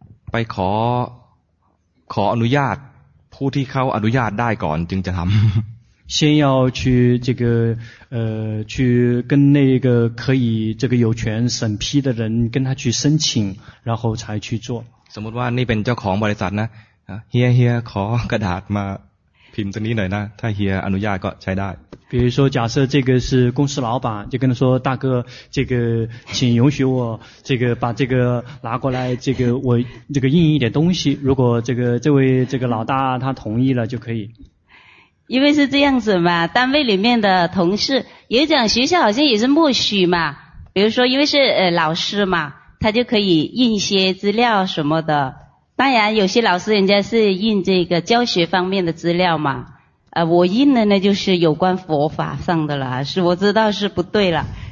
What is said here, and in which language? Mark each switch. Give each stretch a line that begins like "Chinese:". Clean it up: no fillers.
Thai: ไปขออนุญาตผู้ที่เขาอนุญาตได้ก่อนจึงจะทำ
Chinese: 先要去这个去跟那个可以这个有权审批的人跟他去申请然后才去做
Thai: สมมติว่านี่เป็นเจ้าของบริษัทนะเฮียขอกระดาษมาพิมพ์ตรงนี้หน่อยนะถ้าเฮียอนุญาตก็ใช้ได้
Chinese: 比如说假设这个是公司老板就跟他说大哥这个请允许我这个把这个拿过来这个我这个印一点东西如果这个这位这个老大他同意了就可以因为是这样子嘛单位里面的同事也讲学校好像也是默许嘛比如说因为是老师嘛他就可以印些资料什么的当然有些老师人家是印这个教学方面的资料嘛我印的呢就是有关佛法上的了是我知道是不对了